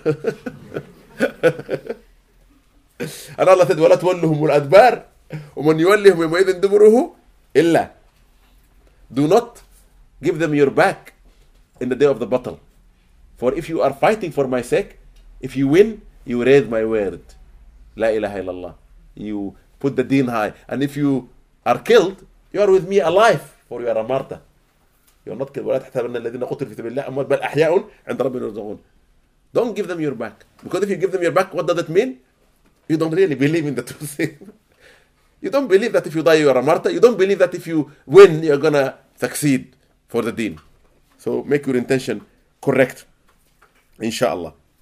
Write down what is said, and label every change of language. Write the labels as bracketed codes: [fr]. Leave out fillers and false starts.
[en] And Allah said, [ar] وَلَا تُوَلُّهُمُ الْأَدْبَارِ وَمَنْ يُوَلِّهُمْ يَمَيْذٍ دُبُرُهُ إِلَّا. [en] Do not give them your back in the day of the battle. For if you are fighting for my sake, if you win, you raise my word. [ar] لا إله إلا الله. [en] You put the deen high. And if you are killed, you are with me alive, for you are a martyr. You're not killed. [ar] ولا تحسبن الذين قتلوا في سبيل الله أموات بل أحياء عند ربهم يرزقون. [en] Don't give them your back. Because if you give them your back, what does it mean? You don't really believe in the two things. You don't believe that if you die, you are a martyr. You don't believe that if you win, you're going to succeed for the deen. So make your intention correct. Inshallah.